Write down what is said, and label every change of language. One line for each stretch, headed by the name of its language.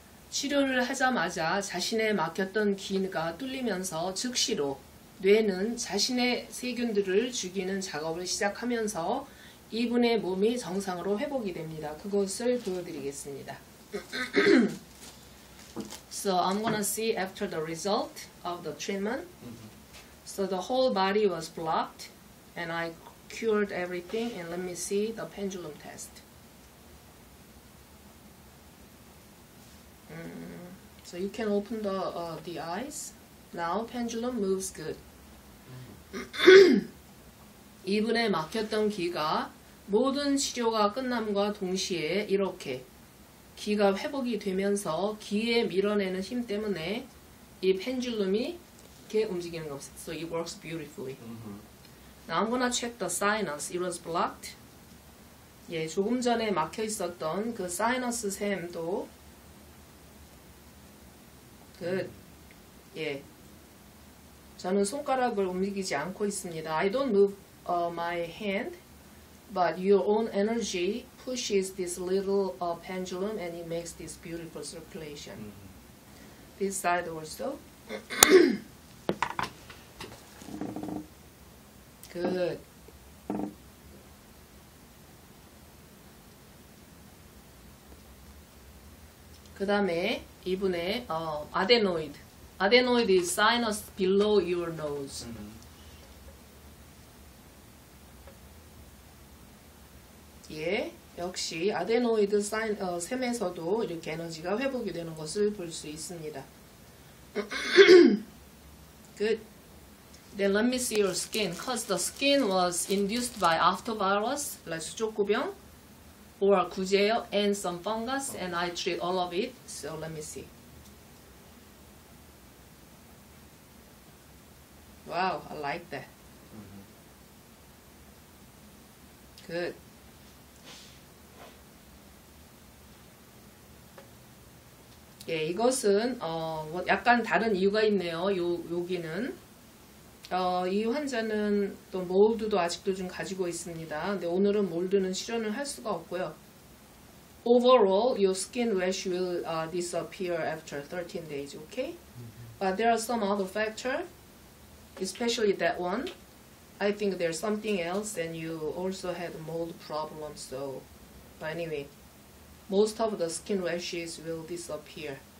Korean: 치료를 하자마자 자신의 막혔던 귀가 뚫리면서 즉시로 뇌는 자신의 세균들을 죽이는 작업을 시작하면서 이분의 몸이 정상으로 회복이 됩니다. 그것을 보여드리겠습니다.
English: So I'm gonna see after the result of the treatment. So the whole body was blocked and I cured everything and let me see the pendulum test. So you can open the eyes. Now pendulum moves good.
Korean: 이분의 막혔던 귀가 모든 치료가 끝남과 동시에 이렇게 귀가 회복이 되면서 귀에 밀어내는 힘 때문에 이 펜듈럼이 이렇게 움직이는 것.
English: So it works beautifully. Now I'm gonna check the sinus. It was blocked.
Korean: 예, 조금 전에 막혀 있었던 그 사이너스 샘도 good. 예. 저는 손가락을 움직이지 않고 있습니다.
English: I don't move my hand, but your own energy pushes this little pendulum and it makes this beautiful circulation. This side also. Good.
Korean: 그다음에 이분의 아데노이드.
English: Adenoid is sinus below your nose.
Korean: 예, 역시 아데노이드 샘에서도 이렇게 에너지가 회복이 되는 것을 볼수 있습니다.
English: Good. Then let me see your skin. Cause the skin was induced by arthrovirus, like 수족구병, or 구제염, and some fungus, and I treat all of it. So let me see. 와우, wow, I like that. Good.
Korean: 예, 이것은 약간 다른 이유가 있네요. 여기는 이 환자는 또 몰드도 아직도 좀 가지고 있습니다. 근데 오늘은 몰드는 실현을 할 수가 없고요.
English: Overall, your skin rash will disappear after 13 days, okay? But there are some other factor. Especially that one. I think there's something else, and you also had mold problem. So, but anyway, most of the skin rashes will disappear.